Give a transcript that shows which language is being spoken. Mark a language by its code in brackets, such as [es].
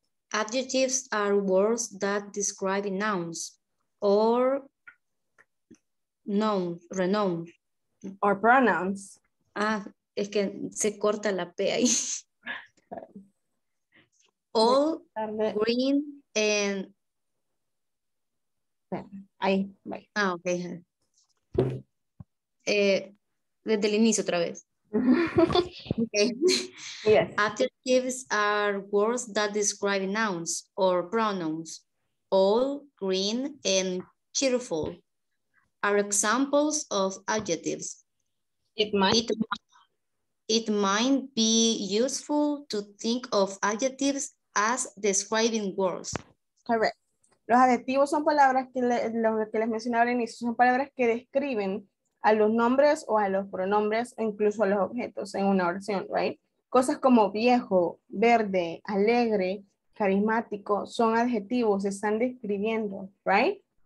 [en] Adjectives are words that describe nouns or noun, renown. Or pronouns. [es] Ah, es que se corta la P ahí. [en] All green and... [es] Ahí, bye. Ah, ok. Desde el inicio otra vez. Okay. [en] Yes. Adjectives are words that describe nouns or pronouns. All green and cheerful are examples of adjectives. It might be useful to think of adjectives as describing words. Correct. [es] Los adjetivos son palabras que les mencionaba al inicio, son palabras que describen a los nombres o a los pronombres, incluso a los objetos en una oración, right? Cosas como viejo, verde, alegre, carismático, son adjetivos, se están describiendo, right?